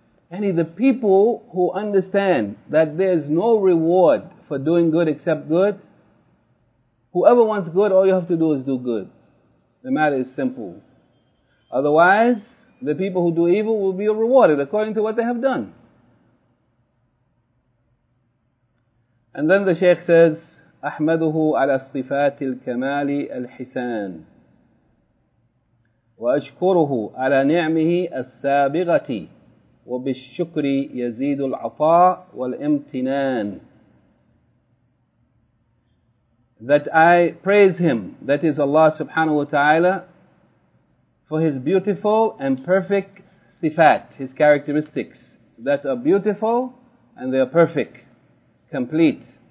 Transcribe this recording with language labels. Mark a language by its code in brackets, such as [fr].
[en] Any the people who understand that there is no reward for doing good except good, whoever wants good, all you have to do is do good. The matter is simple. Otherwise, the people who do evil will be rewarded according to what they have done. And then the Shaykh says, [ar] أحمده على الصفات الكمال الحسان. وأشكره على نعمه السابغة وبالشكر يزيد العطاء والامتنان. [en] That I praise him, that is Allah subhanahu wa ta'ala, for his beautiful and perfect sifat, his characteristics that are beautiful and they are perfect, complete.